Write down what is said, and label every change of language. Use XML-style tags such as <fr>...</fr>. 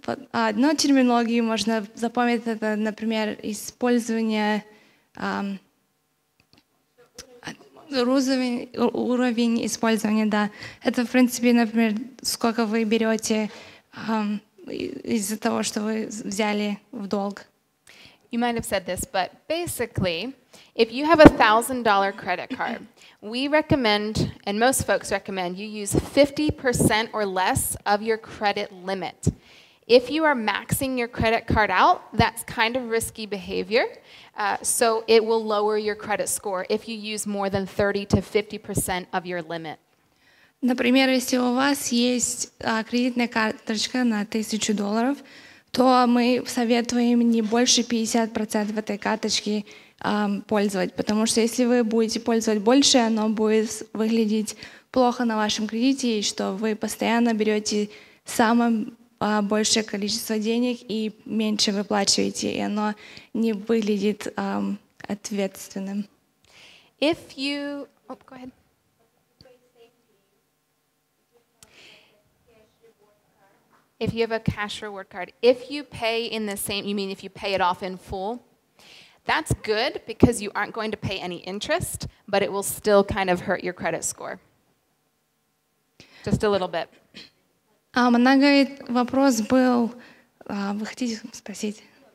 <ru>Одну терминологию можно запомнить, это, например, использование уровень использования, да. Это, в принципе, например, сколько вы берете из-за того, что вы взяли в долг.</ru> <en>You might have said this, but basically, if you have a $1,000 credit card, we recommend, and most folks recommend, you use 50% or less of your credit limit. If you are maxing your credit card out, that's kind of risky behavior, so it will lower your credit score if you use more than 30 to 50% of your limit.</en> <ru>Например, если у вас есть кредитная карточка на $1,000, то мы советуем не больше 50% этой карточки пользовать, потому что если вы будете пользовать больше, оно будет выглядеть плохо на вашем кредите, и что вы постоянно берете самое большее количество денег и меньше выплачиваете, и оно не выглядит ответственным.</ru> <en>If you... Oh, go ahead. If you have a cash reward card, if you pay in the same, you mean if you pay it off in full, that's good because you aren't going to pay any interest, but it will still kind of hurt your credit score. Just a little bit.</en> <ru>Она говорит, вопрос был, вы хотите спросить?</ru>